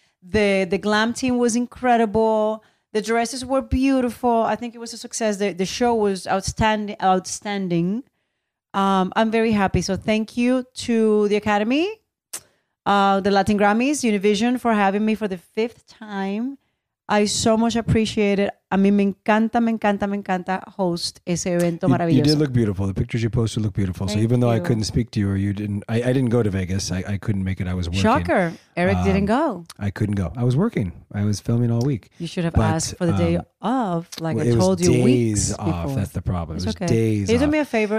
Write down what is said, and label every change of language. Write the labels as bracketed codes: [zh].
[en] The glam team was incredible. The dresses were beautiful. I think it was a success. The show was outstanding. I'm very happy. So thank you to the Academy, the Latin Grammys, Univision, for having me for the fifth time. I so much appreciate it. [es] A mí me encanta host ese evento maravilloso. [en] You did look beautiful. The pictures you posted look beautiful. Thank so even though you. I couldn't speak to you or you didn't, I didn't go to Vegas. I couldn't make it. I was working. Shocker. Eric didn't go. I couldn't go. I was working. I was filming all week. You should have asked for the day off. Like I told you, weeks off. That's the problem. It was okay. Can you do me a favor?